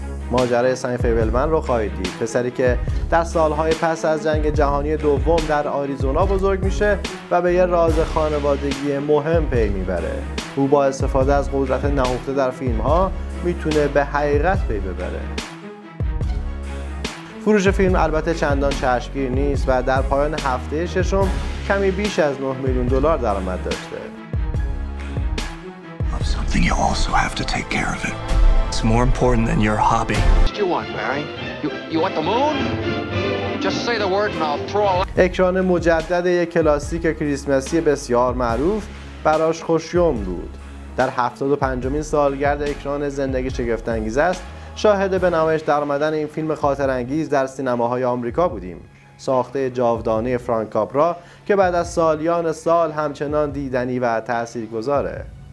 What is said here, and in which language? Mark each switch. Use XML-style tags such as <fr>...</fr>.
<fa>ماجرای سن فیبلمن رو خواهید دید، پسری که در سالهای پس از جنگ جهانی دوم در آریزونا بزرگ میشه و به یه راز خانوادگی مهم پی میبره. او با استفاده از قدرت نهفته در فیلم ها میتونه به حقیقت پی ببره. فروش فیلم البته چندان چشمگیر نیست و در پایان هفته ششم کمی بیش از 9 میلیون دلار درآمد داشته.</fa> <en>Something you also have to take care of it. It's more important than your hobby. What do you want, Barry? You want the moon? Just say the word and I'll throw a...</en> <fa>اکران مجدد یک کلاسیک کریسمسی بسیار معروف براش خوشیوم بود. در 75 سالگرد اکران زندگی شگفت‌انگیز است، شاهد به نمایش در آمدن این فیلم خاطرانگیز در سینماهای آمریکا بودیم. ساخته جاودانه فرانک کاپرا که بعد از سالیان سال همچنان دیدنی و تاثیرگذاره.</fa>